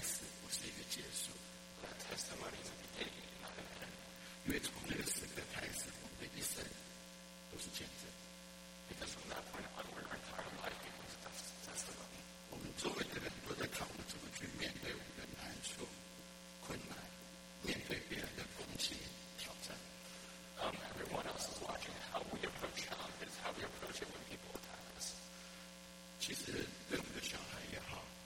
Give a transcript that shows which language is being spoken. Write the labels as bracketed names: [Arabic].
[Chinese] 我们从那个见证是一个开始，不是一个结束。 [English] That testimony is a beginning, not an end. [Chinese] 因为从那个时刻开始，我们的一生都是见证。 [English] Because from that point onward, our entire life becomes a testimony. [Chinese] 我们周围的人都在看我们怎么去面对我们的难处、困难，面对别人的攻击、挑战。 [English] Everyone else is watching how we approach challenges, how we approach it when people attack us. [Chinese] 其实，对我们的小孩也好。